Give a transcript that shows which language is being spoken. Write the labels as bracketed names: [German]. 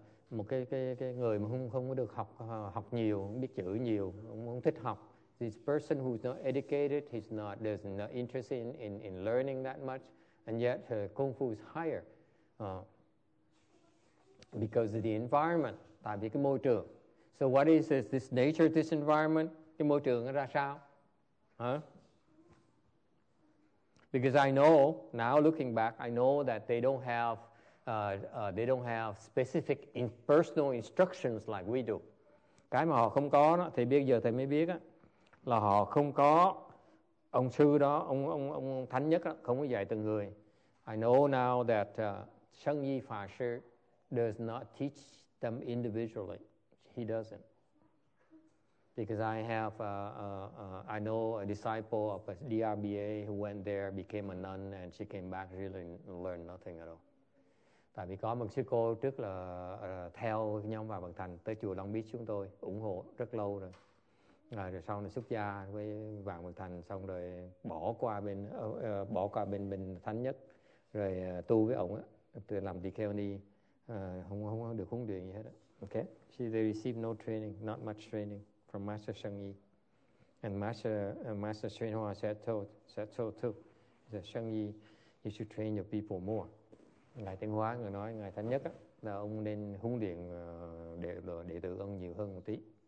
[Vietnamese] Một cái người mà không có được học học nhiều, không biết chữ nhiều, không thích học. [English] This person who's not educated, he's not, there's no interest in learning that much, and yet her kung fu is higher. Because of the environment, [Vietnamese] tại vì cái môi trường. [English] So what is this nature of this environment? [Vietnamese] Cái môi trường nó ra sao? [English] Because I know, now looking back, I know that they don't have specific personal instructions like we do. [Vietnamese] Cái mà họ không có đó, thì bây giờ thầy mới biết á, là họ không có ông sư đó, ông thánh nhất đó, không có dạy từng người. [English] I know now that Sheng Yi Pha Sư does not teach them individually. He doesn't. Because I have, I know a disciple of a DRBA who went there, became a nun, and she came back really learned nothing at all. [Vietnamese] Tại vì có một sư cô trước là theo nhóm vào Bằng Thành tới chùa Long Biết chúng tôi, ủng hộ rất lâu rồi. Rồi sau này xuất gia với Vàng Bằng Thành, xong rồi bỏ qua bên Thánh Nhất, rồi tu với ông từ làm đi kheo ni, không được huấn luyện gì hết đó. [English] Okay, she they received no training, not much training from Master Sheng Yi, and Master Sheng Hua said too, that Sheng Yi, you should train your people more. [Vietnamese] Ngài Tiên Hóa người nói ngài Thánh Nhất là ông nên huấn luyện đệ tử ông nhiều hơn một tí.